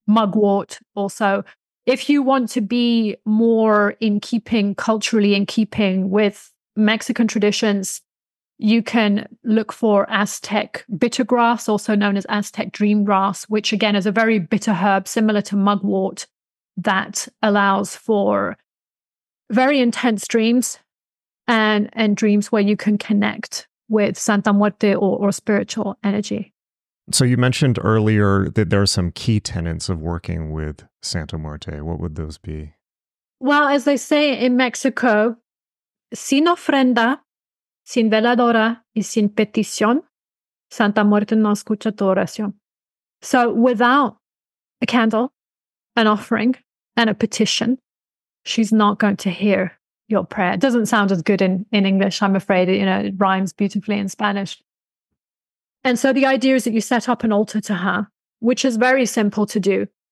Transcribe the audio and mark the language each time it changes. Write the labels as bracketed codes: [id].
[en] Mugwort also. If you want to be more in keeping culturally, in keeping with Mexican traditions, you can look for Aztec bittergrass, also known as Aztec dreamgrass, which again is a very bitter herb similar to mugwort that allows for very intense dreams and dreams where you can connect with Santa Muerte or spiritual energy. So you mentioned earlier that there are some key tenets of working with Santa Muerte. What would those be? Well, as they say in Mexico, [es] sin ofrenda, sin veladora y sin petición, Santa Muerte no escucha tu oración. [en] So without a candle, an offering, and a petition, she's not going to hear your prayer. It doesn't sound as good in English, I'm afraid. You know, it rhymes beautifully in Spanish. And so the idea is that you set up an altar to her, which is very simple to do.